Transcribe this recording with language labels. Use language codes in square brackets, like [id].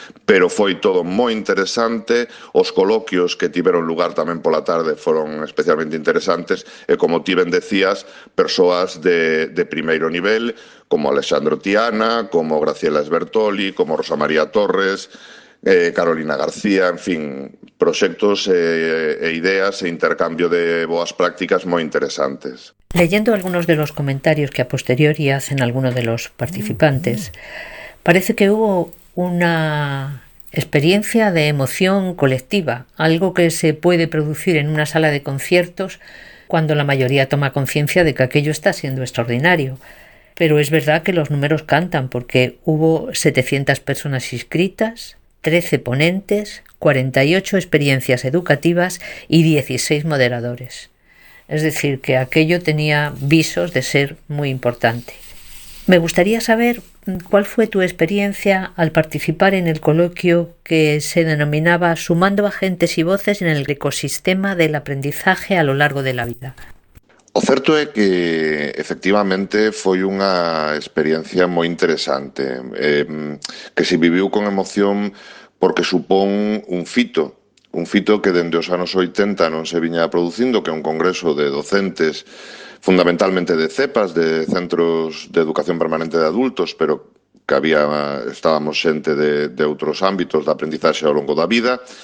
[gl] Pero foi todo moi interesante, os coloquios que tiveron lugar tamén pola tarde foron especialmente interesantes, e como ti ben decías, persoas de primeiro nivel, como Alexandro Tiana, como Graciela Esbertoli, como Rosa María Torres, Carolina García, en fin, proxectos e ideas e intercambio de boas prácticas moi interesantes. [es] Leyendo algunos de los comentarios que a posteriori hacen algunos de los participantes, parece que hubo una experiencia de emoción colectiva, algo que se puede producir en una sala de conciertos cuando la mayoría toma conciencia de que aquello está siendo extraordinario. Pero es verdad que los números cantan, porque hubo 700 personas inscritas, 13 ponentes, 48 experiencias educativas y 16 moderadores. Es decir, que aquello tenía visos de ser muy importante. Me gustaría saber cuál fue tu experiencia al participar en el coloquio que se denominaba Sumando agentes y voces en el ecosistema del aprendizaje a lo largo de la vida. [gl] O certo é que efectivamente foi unha experiencia moi interesante, que se viviu con emoción porque supón un fito que dende os anos 80 non se viña producindo, que é un congreso de docentes, fundamentalmente de CEPAS, de Centros de Educación Permanente de Adultos, pero que estábamos xente de outros ámbitos da aprendizaxe ao longo da vida,